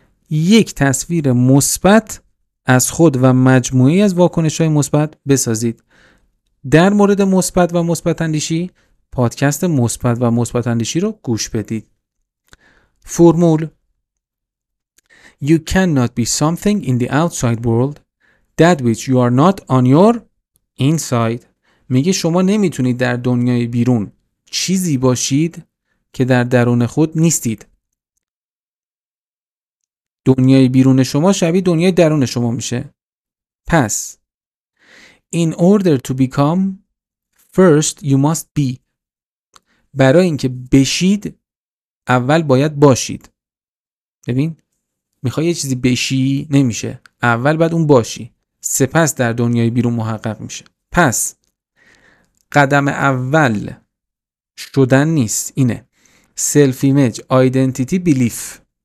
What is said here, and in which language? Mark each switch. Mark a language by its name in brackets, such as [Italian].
[Persian] یک تصویر مثبت از خود و مجموعی از واکنش‌های مثبت بسازید. در مورد مثبت و مثبت اندیشی پادکست مثبت و مثبت اندیشی رو گوش بدید. [English] فرمول: You cannot be something in the outside world that which you are not on your inside. [Persian] میگه شما نمیتونید در دنیای بیرون چیزی باشید که در درون خود نیستید. دنیای بیرون شما شبیه دنیای درون شما میشه. [English] پس In order to become, first you must be. [Persian] برای اینکه بشید اول باید باشید. ببین، میخوای یه چیزی بشی نمیشه، اول باید اون باشی، سپس در دنیای بیرون محقق میشه. پس قدم اول شدن نیست، اینه [English] Self image, identity, belief.